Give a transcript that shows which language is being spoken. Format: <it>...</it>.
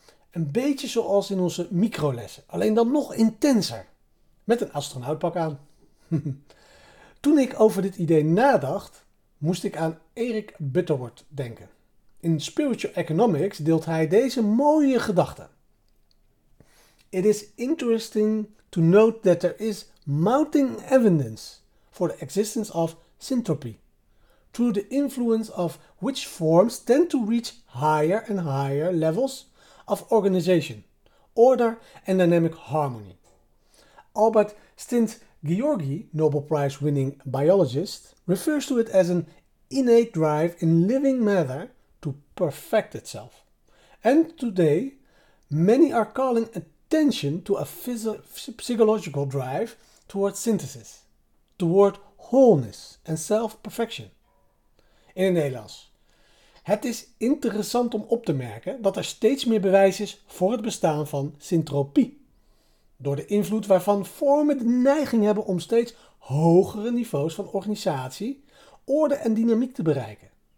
<nl>Een beetje zoals in onze microlessen, alleen dan nog intenser. Met een astronautpak aan. Toen ik over dit idee nadacht, moest ik aan Eric Butterworth denken. In Spiritual Economics deelt hij deze mooie gedachte.</nl> <en>It is interesting to note that there is mounting evidence for the existence of syntropy, through the influence of which forms tend to reach higher and higher levels of organization, order and dynamic harmony. Albert Szent-Györgyi, Nobel Prize winning biologist, refers to it as an innate drive in living matter to perfect itself. And today, many are calling attention to a psychological drive towards synthesis, toward wholeness and self-perfection.</en> <nl>In het Nederlands. Het is interessant om op te merken dat er steeds meer bewijs is voor het bestaan van syntropie. Door de invloed waarvan vormen de neiging hebben om steeds hogere niveaus van organisatie, orde en dynamiek te bereiken.</nl>